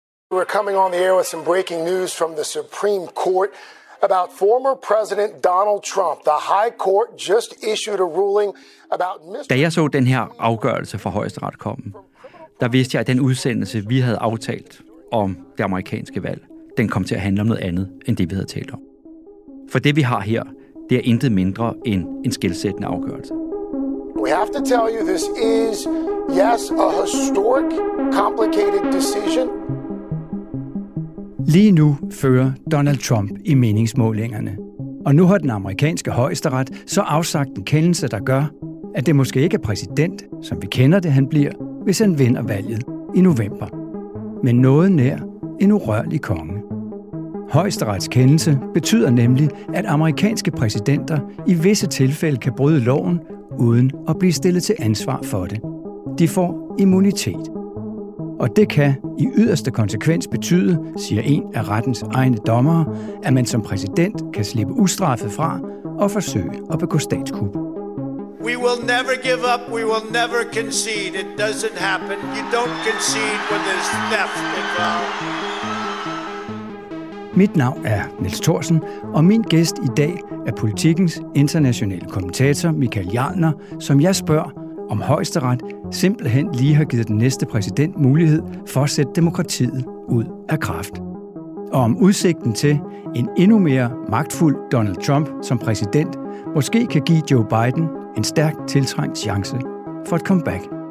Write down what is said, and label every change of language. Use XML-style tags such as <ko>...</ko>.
<en>We're coming on the air with some breaking news from the Supreme Court about former President Donald Trump. The High Court just issued a ruling about</en> <da>Da jeg så den her afgørelse fra Højesteret komme, der vidste jeg, at den udsendelse, vi havde aftalt om det amerikanske valg, den kom til at handle om noget andet, end det, vi havde talt om. For det, vi har her, det er intet mindre end en skelsættende afgørelse.</da> <en>We have to tell you, this is, yes, a historic, complicated decision.</en> <da>Lige nu fører Donald Trump i meningsmålingerne. Og nu har den amerikanske højesteret så afsagt en kendelse, der gør, at det måske ikke er præsident, som vi kender det, han bliver, hvis han vinder valget i november. Men noget nær en urørlig konge. Højesterets kendelse betyder nemlig, at amerikanske præsidenter i visse tilfælde kan bryde loven, uden at blive stillet til ansvar for det. De får immunitet. Og det kan i yderste konsekvens betyde, siger en af rettens egne dommere, at man som præsident kan slippe ustraffet fra og forsøge at begå statskup.</da> <en>We will never give up. We will never concede. It doesn't happen. You don't concede when there's theft involved.</en> <da>Mit navn er Niels Thorsen, og min gæst i dag er Politikens internationale kommentator Michael Jarner, som jeg spørger, om højesteret simpelthen lige har givet den næste præsident mulighed for at sætte demokratiet ud af kraft. Og om udsigten til en endnu mere magtfuld Donald Trump som præsident måske kan give Joe Biden en stærkt tiltrængt chance for et comeback.</da>